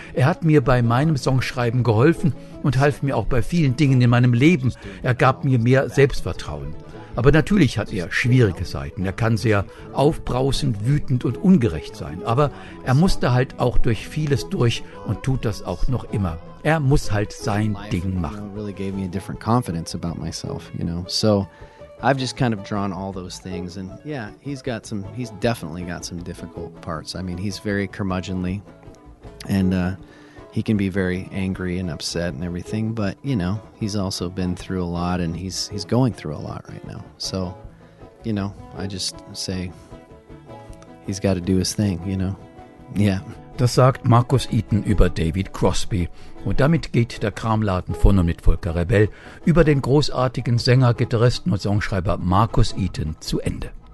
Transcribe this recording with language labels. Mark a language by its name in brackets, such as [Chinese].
[German] Er hat mir bei meinem Songschreiben geholfen und half mir auch bei vielen Dingen in meinem Leben. Er gab mir mehr Selbstvertrauen. Aber natürlich hat er schwierige Seiten. Er kann sehr aufbrausend, wütend und ungerecht sein. Aber er musste halt auch durch vieles durch und tut das auch noch immer. Er muss halt sein Ding machen. [English] Life really gave me a different confidence about myself, you know. So I've just kind of drawn all those things. And yeah, he's definitely got some difficult parts. I mean, he's very curmudgeonly and he can be very angry and upset and everything. But, you know, he's also been through a lot and he's going through a lot right now. So, you know, I just say he's got to do his thing, you know. Yeah. [German] Das sagt Marcus Eaton über David Crosby. Und damit geht der Kramladen von und mit Volker Rebell über den großartigen Sänger, Gitarristen und Songschreiber Marcus Eaton zu Ende.